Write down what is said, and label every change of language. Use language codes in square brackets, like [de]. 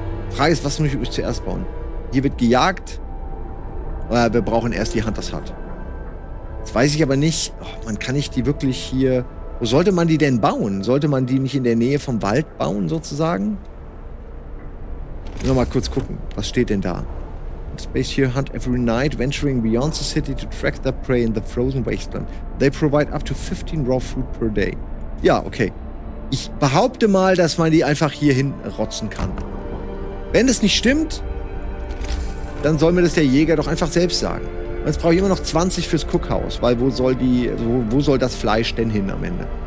[de] Frage ist, was muss ich zuerst bauen? Hier wird gejagt. Wir brauchen erst die Hunter's Hut. Jetzt weiß ich aber nicht, man kann nicht die wirklich hier... Wo sollte man die denn bauen? Sollte man die nicht in der Nähe vom Wald bauen, sozusagen? Nochmal kurz gucken, was steht denn da? [en] Space here hunt every night, venturing beyond the city to track their prey in the frozen wasteland. They provide up to 15 raw food per day. [de] Ja, okay. Ich behaupte mal, dass man die einfach hier hin rotzen kann. Wenn das nicht stimmt, dann soll mir das der Jäger doch einfach selbst sagen. Jetzt brauche ich immer noch 20 fürs Cookhouse, weil wo soll das Fleisch denn hin am Ende?